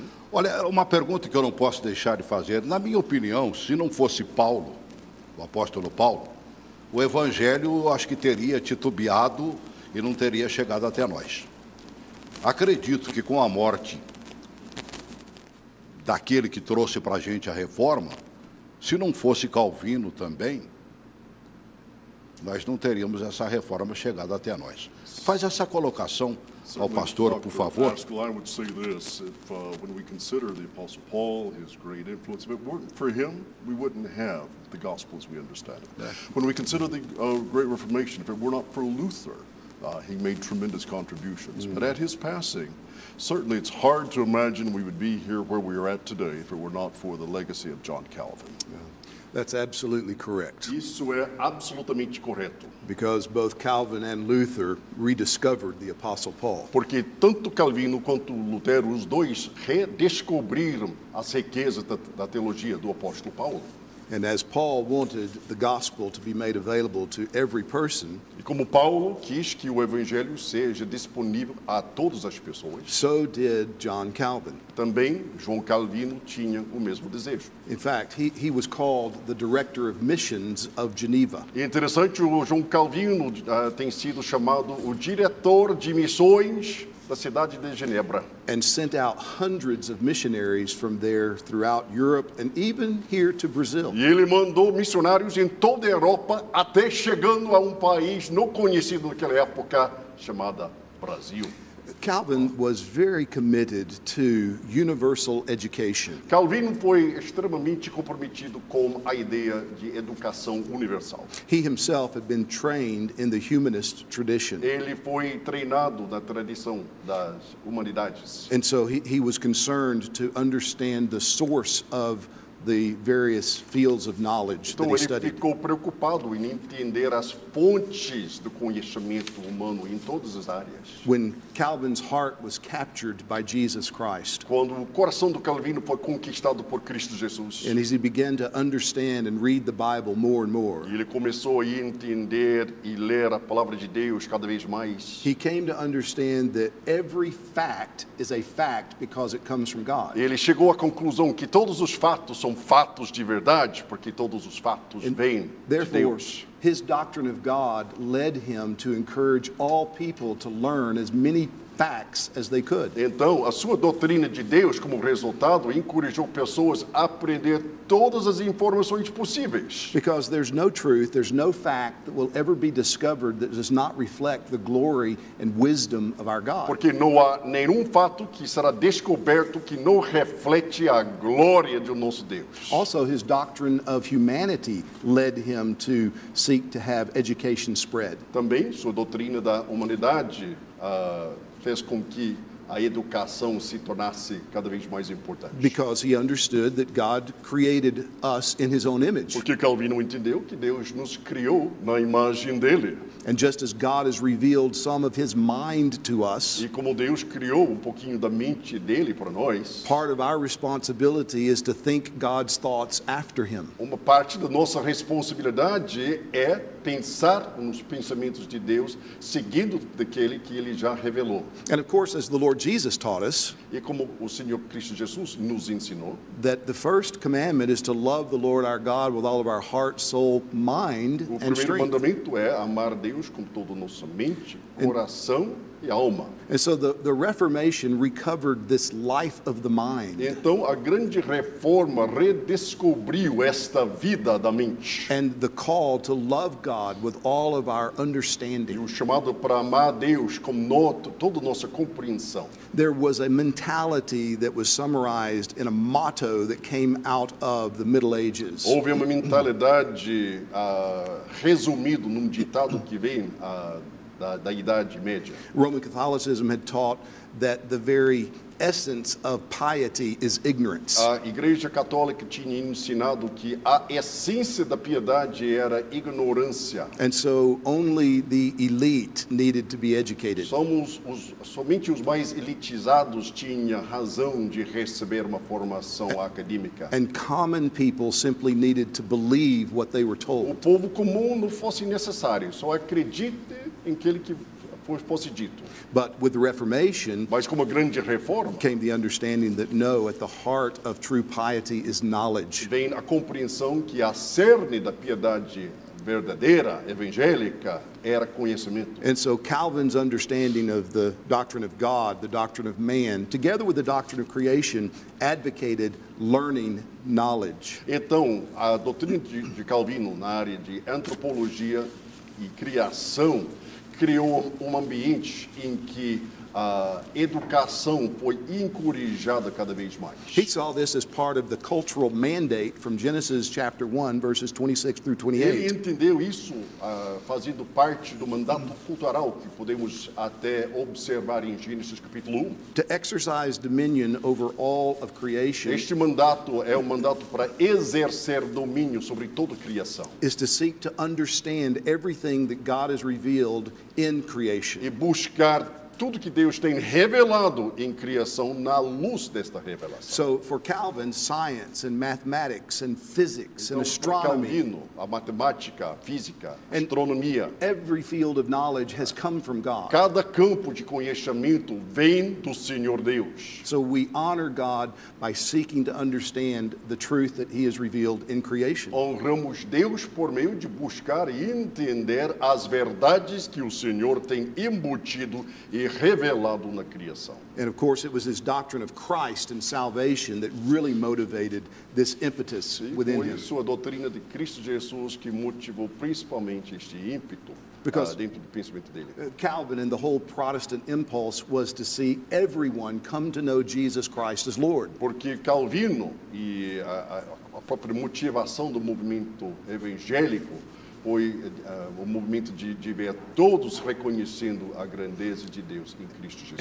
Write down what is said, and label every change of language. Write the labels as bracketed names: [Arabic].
[Portuguese] Olha, uma pergunta que eu não posso deixar de fazer. Na minha opinião, se não fosse Paulo, o apóstolo Paulo, o Evangelho acho que teria titubeado e não teria chegado até nós. Acredito que com a morte daquele que trouxe para a gente a reforma, se não fosse Calvino também, nós não teríamos essa reforma chegada até nós. Faz essa colocação ao pastor, por favor. [English] I would say this, when we consider the Apostle Paul, his great influence, if it weren't for him, we wouldn't have the Gospels we understand it. When we consider the Great Reformation, if it were not for Luther, he made tremendous contributions. But at his passing, certainly it's hard to imagine we would be here where we are at today if it were not for the legacy of John Calvin. That's absolutely correct. [Portuguese] Isso é absolutamente correto. [English] Because both Calvin and Luther rediscovered the Apostle Paul. [Portuguese] Porque tanto Calvino quanto Lutero, os dois redescobriram as riquezas da teologia do Apóstolo Paulo. [English] And as Paul wanted the gospel to be made available to every person, [Portuguese] e como Paulo quis que o evangelho seja disponível a todas as pessoas, [English] so did John Calvin. [Portuguese] Também João Calvino tinha o mesmo desejo. [English] In fact, he was called the director of missions of Geneva. [Portuguese] E interessante, o João Calvino tem sido chamado o diretor de missões da cidade de Genebra. [English] And sent out hundreds of missionaries from there throughout Europe and even here to Brazil. [Portuguese] E ele mandou missionários em toda a Europa até chegando a um país não conhecido naquela época chamada Brasil. [English] Calvin was very committed to universal education. [Portuguese] Calvino foi extremamente comprometido com a ideia de educação universal. [English] He himself had been trained in the humanist tradition. [Portuguese] Ele foi treinado na tradição das humanidades. [English] And so he was concerned to understand the source of the various fields of knowledge [Portuguese] então, [English] that he studied. [Portuguese] Ele ficou preocupado em entender as fontes do conhecimento humano em todas as áreas. [English] When Calvin's heart was captured by Jesus Christ, [Portuguese] quando o coração do Calvino foi conquistado por Cristo Jesus, [English] and as he began to understand and read the Bible more and more, [Portuguese] ele começou a entender e ler a palavra de Deus cada vez mais, [English] he came to understand that every fact is a fact because it comes from God. [Portuguese] Ele chegou à conclusão que todos os fatos são fatos de verdade porque todos os fatos vêm de Deus. [English] His doctrine of God led him to encourage all people to learn as many facts as they could. [Portuguese] Então, a sua doutrina de Deus, como resultado, encorajou pessoas a aprender todas as informações possíveis. [English] Because there's no truth, there's no fact that will ever be discovered that does not reflect the glory and wisdom of our God. [Portuguese] Porque não há nenhum fato que será descoberto que não reflete a glória do nosso Deus. [English] Also, his doctrine of humanity led him to seek to have education spread. [Portuguese] Também sua doutrina da humanidade fez com que a educação se tornasse cada vez mais importante. [English] Because he understood that God created us in his own image. [Portuguese] Porque Calvino entendeu que Deus nos criou na imagem dele. [English] And just as God has revealed some of his mind to us, [Portuguese] e como Deus criou um pouquinho da mente dele para nós, [English] part of our responsibility is to think God's thoughts after him. [Portuguese] Uma parte da nossa responsabilidade é pensar nos pensamentos de Deus seguindo daquele que ele já revelou. [English] And of course, as the Lord Jesus taught us, [Portuguese] e como o Senhor Cristo Jesus nos ensinou, [English] that the first commandment is to love the Lord our God with all of our heart, soul, mind, and strength. [Portuguese] O primeiro mandamento é amar Deus com toda a nossa mente, coração e alma. [English] And so the Reformation recovered this life of the mind. [Portuguese] Então a grande reforma redescobriu esta vida da mente. [English] And the call to love God with all of our understanding. [Portuguese] E o chamado para amar Deus com toda a nossa compreensão. [English] There was a mentality that was summarized in a motto that came out of the Middle Ages. [Portuguese] Houve uma mentalidade resumido num ditado que vem da Idade Média. [English] Roman Catholicism had taught that the very essence of piety is ignorance. [Portuguese] A Igreja Católica tinha ensinado que a essência da piedade era ignorância. [English] And so only the elite needed to be educated. [Portuguese] Somente os mais elitizados tinham razão de receber uma formação acadêmica. [English] And common people simply needed to believe what they were told. [Portuguese] O povo comum não fosse necessário, só acredite em aquele que depois fosse dito. [English] But with the Reformation, [Portuguese] mas com a grande reforma, [English] came the understanding that no, at the heart of true piety is knowledge. [Portuguese] Vem a compreensão que a cerne da piedade verdadeira, evangélica, era conhecimento. [English] And so Calvin's understanding of the doctrine of God, the doctrine of man, together with the doctrine of creation, advocated learning knowledge. [Portuguese] Então, a doutrina de Calvino na área de antropologia e criação criou um ambiente em que a educação foi encorajada cada vez mais. [English] He saw this as part of the cultural mandate from Genesis chapter 1 verses 26 through 28. [Portuguese] Ele entendeu isso fazendo parte do mandato cultural que podemos até observar em Gênesis capítulo 1. [English] To exercise dominion over all of creation. [Portuguese] Este mandato é um mandato para exercer domínio sobre toda a criação. [English] Is to seek to understand everything that God has revealed in creation. [Portuguese] E buscar tudo que Deus tem revelado em criação na luz desta revelação. [English] So for Calvin, science and mathematics and physics and astronomy, [Portuguese] Calvino, a matemática, a física, and astronomia, [English] every field of knowledge has come from God. [Portuguese] Cada campo de conhecimento vem do Senhor Deus. [English] So we honor God by seeking to understand the truth that he has revealed in creation. [Portuguese] Honramos Deus por meio de buscar e entender as verdades que o Senhor tem embutido e revelado na criação. [English] And of course it was his doctrine of Christ and salvation that really motivated this impetus within him. [Portuguese] Sua doutrina de Cristo Jesus que motivou principalmente este ímpeto. Because dentro do pensamento dele. [English] Calvin and the whole Protestant impulse was to see everyone come to know Jesus Christ as Lord. [Portuguese] Porque Calvino e a própria motivação do movimento evangélico foi o movimento de ver todos reconhecendo a grandeza de Deus em Cristo Jesus.